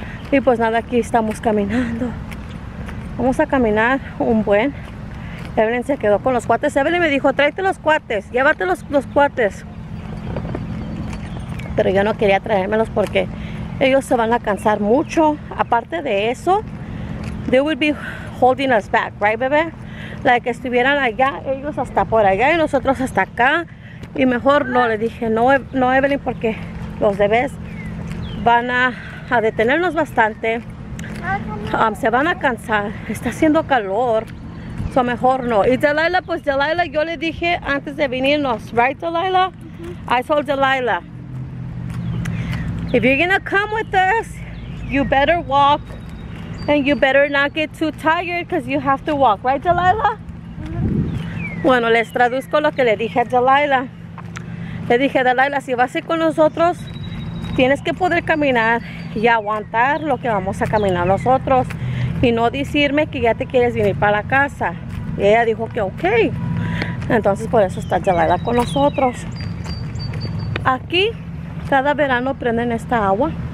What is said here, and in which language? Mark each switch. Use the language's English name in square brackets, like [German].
[Spanish] Y pues nada, aquí estamos caminando. Vamos a caminar un buen. Evelyn se quedó con los cuates. Evelyn me dijo, tráete los cuates, llévate los cuates. Pero yo no quería traérmelos porque ellos se van a cansar mucho. Aparte de eso, [English] they would be holding us back, right, bebé? [Spanish] Like, que estuvieran allá, ellos hasta por allá y nosotros hasta acá. Y mejor no, le dije, no Evelyn, porque los bebés van a detenernos bastante. Se van a cansar, está haciendo calor. So mejor no. Y Jalaida, pues Jalaida, yo le dije antes de venirnos, right, Jalaida? [English] Uh-huh. I told Jalaida, if you're gonna come with us, you better walk and you better not get too tired because you have to walk, right, Jalaida? [Spanish] Uh-huh. Bueno, les traduzco lo que le dije a Jalaida. Le dije, Jalaida, si vas a ir con nosotros, tienes que poder caminar y aguantar lo que vamos a caminar nosotros y no decirme que ya te quieres venir para la casa. Y ella dijo que ok. Entonces, por eso está Jalaida con nosotros. Aquí, cada verano prenden esta agua.